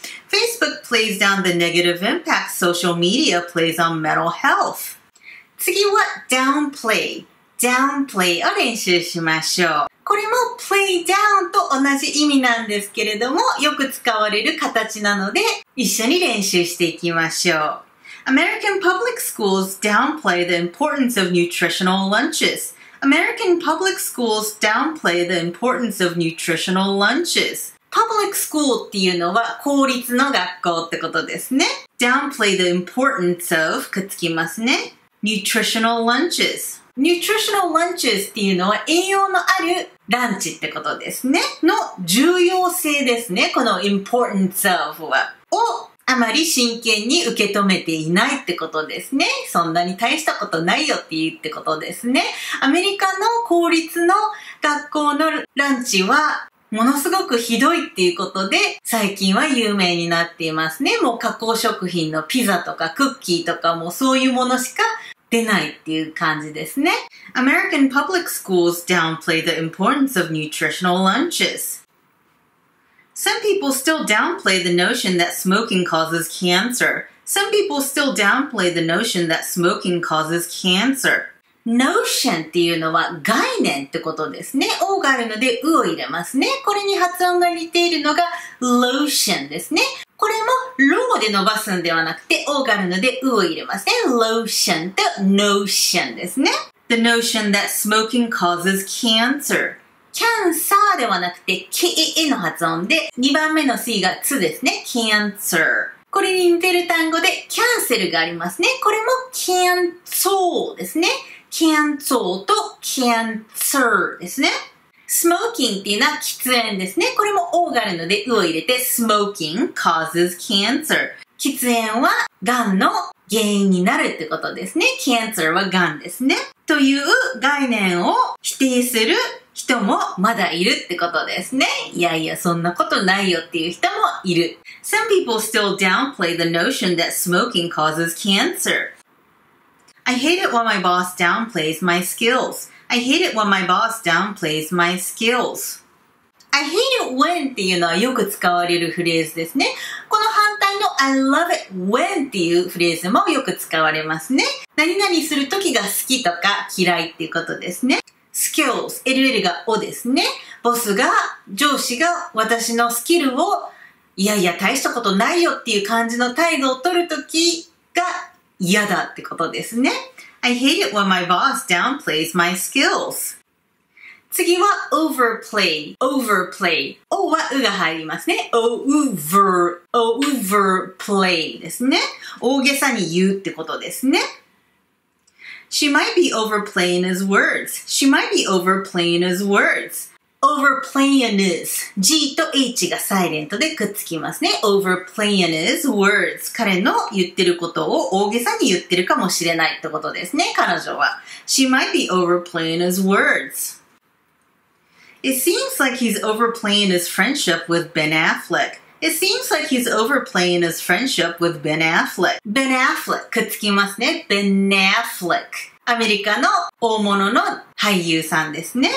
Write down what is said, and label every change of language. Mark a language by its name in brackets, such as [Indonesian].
[English] Facebook plays down the negative impact social media plays on mental health. [Japanese] 次は downplay。downplay を練習しましょう。これも play down と同じ意味なんですけれども、よく使われる形なので、一緒に練習していきましょう。 [English] American public schools downplay the importance of nutritional lunches. American public schools downplay the importance of nutritional lunches. [Japanese] Public school っていうのは公立の学校ってことですね。 [English] downplay the importance of [Japanese] くっつきますね。 [English] nutritional lunches。 [Japanese] nutritional lunches っていうのは栄養のあるランチってことですね。の重要性ですね。この importance of は。をあまり真剣に受け止めていないってことですね。そんなに大したことないよって言うってことですね。アメリカの公立の学校のランチはものすごくひどいっていうことで最近は有名になっていますね。もう加工食品のピザとかクッキーとかもそういうものしか出ないっていう感じですね。 [English] American public schools downplay the importance of nutritional lunches. Some people still downplay the notion that smoking causes cancer. Some people still downplay the notion that smoking causes cancer. [Japanese] Notion っていうのは概念ってことですね。 O があるので U を入れますね。これに発音が似ているのが lotion ですね。これもローで伸ばすんではなくて O があるので U を入れますね。 lotion と notion ですね。 [English] The notion that smoking causes cancer. [Japanese] Cancer ではなくて KE の発音で2番目の C が T ですね。Cancer。これに似てる単語で Cancel がありますね。これも Cancel ですね。 Cancel と Cancer ですね。Smoking っていうのは喫煙ですね。これも O があるので U を入れて [English] Smoking causes cancer。 [Japanese] 喫煙は癌の原因になるってことですね。 Cancer は癌ですね。という概念を否定する人もまだいるってことですね。いやいや、そんなことないよっていう人もいる。 [English] Some people still downplay the notion that smoking causes cancer. I hate it when my boss downplays my skills. I hate it when my boss downplays my skills. [Japanese] I hate it when っていうのはよく使われるフレーズですね。この反対の I love it when っていうフレーズもよく使われますね。何々するときが好きとか嫌いっていうことですね。 [English] skills, [Japanese] ll がをですね。ボスが、上司が私のスキルを、いやいや、大したことないよっていう感じの態度を取るときが嫌だってことですね。 [English] I hate it when my boss downplays my skills. [Japanese] 次は overplay, overplay. O はうが入りますね。 over, overplay ですね。大げさに言うってことですね。 [English] She might be overplaying his words. She might be overplaying his words. Overplaying his. [Japanese] G と H がサイレントでくっつきますね。 [English] Overplaying his words. [Japanese] 彼の言ってることを大げさに言ってるかもしれないってことですね。彼女は。 [English] She might be overplaying his words. It seems like he's overplaying his friendship with Ben Affleck. It seems like he's overplaying his friendship with Ben Affleck. [Japanese] Ben Affleck くっつきますね。Ben Affleck。アメリカの大物の俳優さんですね。